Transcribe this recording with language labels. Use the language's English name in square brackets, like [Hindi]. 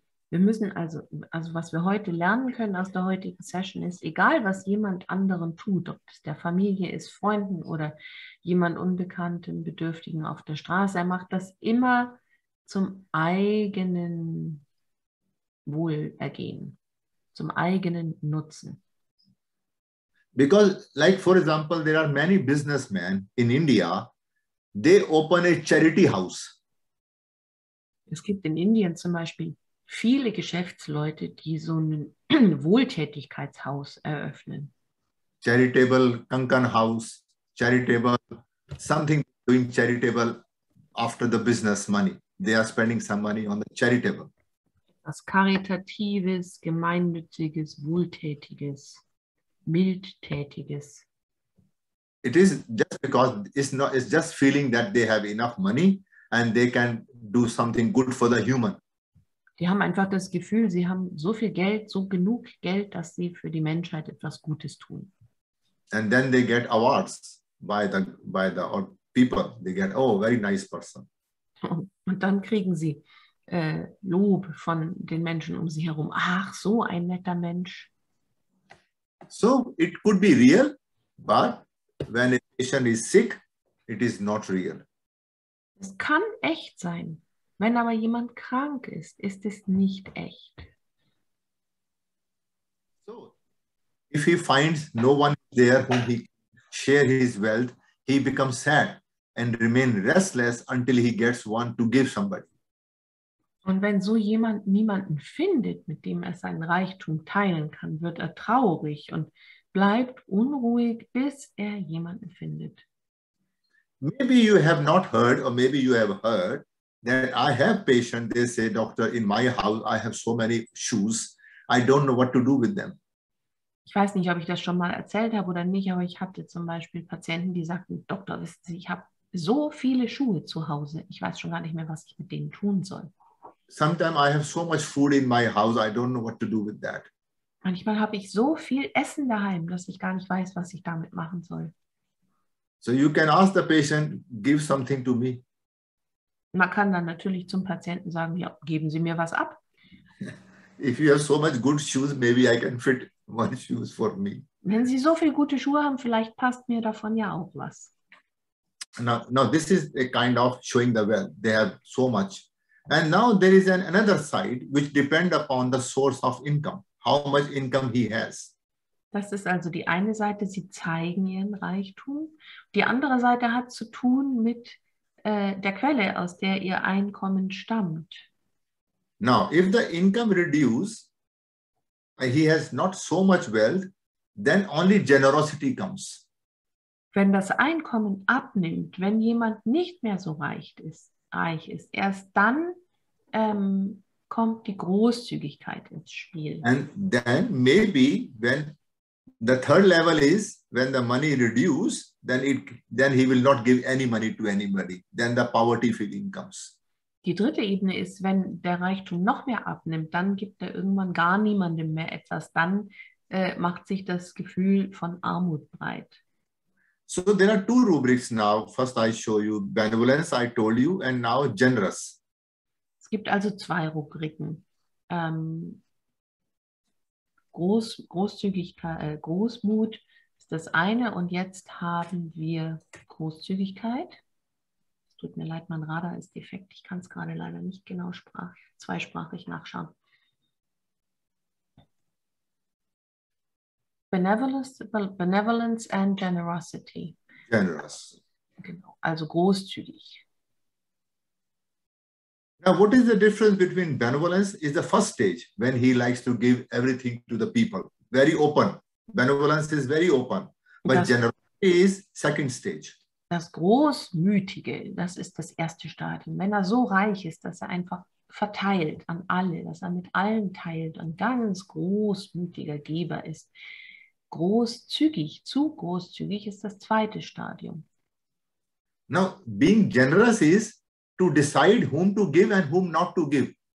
[German] Wir müssen also was wir heute lernen können aus der heutigen Session ist, egal was jemand anderen tut, ob es der Familie ist, Freunden oder jemand Unbekannten, Bedürftigen auf der Straße, er macht das immer zum eigenen Wohlergehen, zum eigenen Nutzen. [English] Because, like for example, there are many businessmen in India, they open a charity house. [German] Es gibt in Indien zum Beispiel viele Geschäftsleute, die so ein Wohltätigkeitshaus eröffnen. [English] Charitable Kankan House, charitable, something doing charitable after the business money. They are spending some money on the charitable. [German] Was karitatives, gemeinnütziges, wohltätiges, mildtätiges. [English] It is just because it's just feeling that they have enough money and they can do something good for the human. [German] Die haben einfach das Gefühl, sie haben so viel Geld, so genug Geld, dass sie für die Menschheit etwas Gutes tun. [English] And then they get awards by the people. They get, oh, very nice person. [German] Und dann kriegen sie Lob von den Menschen um sie herum. Ach, so ein netter Mensch. [English] So, it could be real, but when a patient is sick, it is not real. [German] Es kann echt sein. Wenn aber jemand krank ist, ist es nicht echt. [English] So, if he finds no one there whom he share his wealth, he becomes sad and remains restless until he gets one to give somebody. [German] Und wenn so jemand niemanden findet, mit dem er sein Reichtum teilen kann, wird er traurig und bleibt unruhig, bis er jemanden findet. [English] Maybe you have not heard, or maybe you have heard, that I have patients, they say, doctor, in my house, I have so many shoes, I don't know what to do with them. [German] Ich weiß nicht, ob ich das schon mal erzählt habe oder nicht, aber ich hatte zum Beispiel Patienten, die sagten, Doktor, wissen Sie, ich habe so viele Schuhe zu Hause, ich weiß schon gar nicht mehr, was ich mit denen tun soll. [English] Sometimes I have so much food in my house, I don't know what to do with that. [German] Manchmal habe ich so viel Essen daheim, dass ich gar nicht weiß, was ich damit machen soll. [English] So you can ask the patient, give something to me. [German] Man kann dann natürlich zum Patienten sagen, ja, geben Sie mir was ab. [English] If you have so much good shoes, maybe I can fit one shoes for me. [German] Wenn Sie so viele gute Schuhe haben, vielleicht passt mir davon ja auch was. [English] Now this is a kind of showing the wealth. They have so much. And now there is another side, which depends upon the source of income. How much income he has. [German] Das ist also die eine Seite, sie zeigen ihren Reichtum. Die andere Seite hat zu tun mit der Quelle, aus der ihr Einkommen stammt. [English] Now, if the income reduces, he has not so much wealth, then only generosity comes. [German] Wenn das Einkommen abnimmt, wenn jemand nicht mehr so reich ist, erst dann kommt die Großzügigkeit ins Spiel. [English] And then maybe when the third level is, when the money reduces, then he will not give any money to anybody. Then the poverty feeling comes. [German] Die dritte Ebene ist, wenn der Reichtum noch mehr abnimmt, dann gibt er irgendwann gar niemandem mehr etwas. Dann macht sich das Gefühl von Armut breit. [English] So there are two rubrics now. First I show you benevolence, I told you, and now generous. [German] Es gibt also zwei Rubriken. Großmut ist das eine und jetzt haben wir Großzügigkeit. Es tut mir leid, mein Radar ist defekt. Ich kann es gerade leider nicht genau zweisprachig nachschauen. [English] Benevolence and generosity. Generous. [German] Genau, also großzügig. [English] Now, what is the difference between benevolence is the first stage when he likes to give everything to the people. Very open. Benevolence is very open. But generosity is second stage. [German] Das Großmütige, das ist das erste Stadium. Wenn er so reich ist, dass er einfach verteilt an alle, dass er mit allen teilt und ganz großmütiger Geber ist. großzügig, zu großzügig ist das zweite Stadium. [English] Now, being generous is to decide whom to give and whom not to give.